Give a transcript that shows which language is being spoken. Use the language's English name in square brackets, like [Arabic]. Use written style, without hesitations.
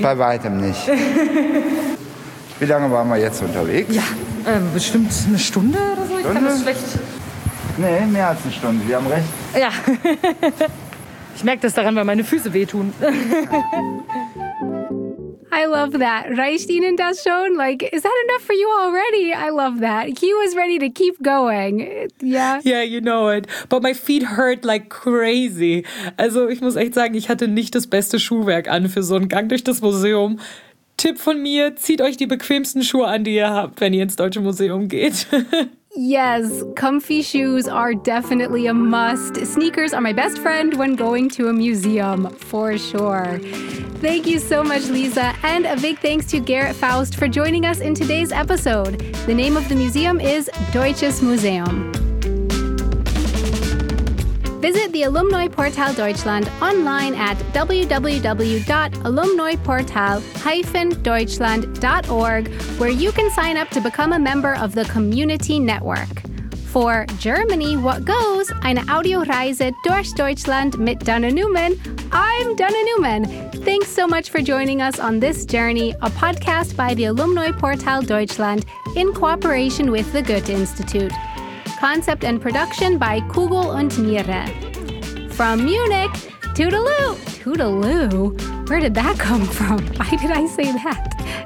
[German] Bei weitem nicht. Wie lange waren wir jetzt unterwegs? Ja, bestimmt eine Stunde oder so. Stunde? Ich kann das schlecht. Nee, mehr als eine Stunde. Wir haben recht. Ja. Ich merke das daran, weil meine Füße wehtun. [English] I love that. [German] Reicht Ihnen das schon? [English] Like, is that enough for you already? I love that. He was ready to keep going. Yeah. Yeah, you know it. But my feet hurt like crazy. [German] Also, ich muss echt sagen, ich hatte nicht das beste Schuhwerk an für so einen Gang durch das Museum. Tipp von mir, zieht euch die bequemsten Schuhe an, die ihr habt, wenn ihr ins Deutsche Museum geht. [English] Yes, comfy shoes are definitely a must. Sneakers are my best friend when going to a museum, for sure. Thank you so much, Lisa, and a big thanks to Garrett Faust for joining us in today's episode. The name of the museum is Deutsches Museum. Visit the Alumni Portal Deutschland online at www.alumniportal-deutschland.org, where you can sign up to become a member of the community network. For Germany, what goes? [German] Eine Audioreise durch Deutschland mit Dana Neumann. [English] I'm Dana Neumann. Thanks so much for joining us on this journey, a podcast by the Alumni Portal Deutschland in cooperation with the Goethe Institute. Concept and production by Kugel und Niere. From Munich, toodaloo! Toodaloo? Where did that come from? Why did I say that?